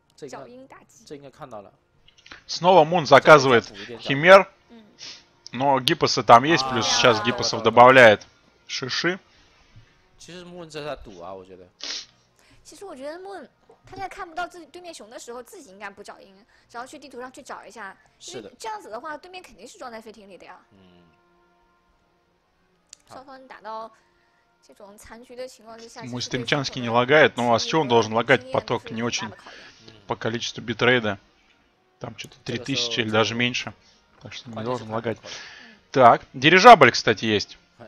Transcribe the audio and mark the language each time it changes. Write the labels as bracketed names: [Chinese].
[Chinese] 又是一个正面，哎，先抽游侠。那我觉得Moon其实要攒人口去A一波了，他这样的话没办法跟对面拼矿。是的，又来了。就是对面好像还有三个脚印吧，三个还是四个脚印的？两个来了，快速接近的当中，侦测到快速接近的脚印大击，这应该看到了。 [Russian] Снова Мун заказывает Химер, но Гиппоса там есть, плюс сейчас Гиппосов добавляет Шиши. [Chinese] Мун在赌啊，我觉得。其实我觉得Мун，他在看不到自己对面熊的时候，自己应该不找鹰，然后去地图上去找一下。是的。这样子的话，对面肯定是装在飞艇里的呀。嗯。双方打到这种残局的情况之下。 [Russian] Мун Стимчански не лагает, но а с чего он должен лагать поток? Не очень по количеству битрейда. Там что-то 3000 или даже меньше. Так что не должен лагать. Так, дирижабль, кстати, есть.